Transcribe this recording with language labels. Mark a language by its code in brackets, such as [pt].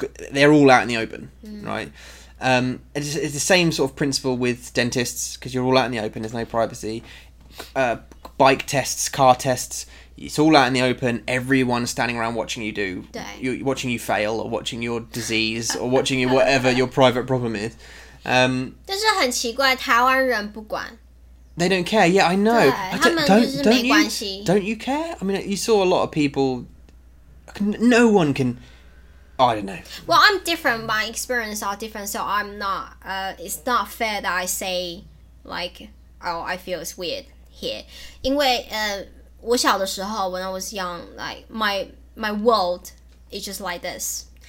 [en] They're all out in the open, right? It's the same sort of principle with dentists, because you're all out in the open, there's no privacy. Bike tests, car tests, it's all out in the open, everyone's standing around watching you do, you're watching you fail, or watching your disease, or watching you whatever your private problem is. [zh] 但是很奇怪，台湾人不管。 [en] They don't care, yeah, I know. [zh] 对，他们就是没关系。 [en] Don't you care? I mean, you saw a lot of people, no one can... I don't know. Well, I'm different. My experience are different, so I'm not... it's not fair that I say, like, oh, I feel it's weird here. [zh] 因为我小的时候, [en] when I was young, like, my world is just like this.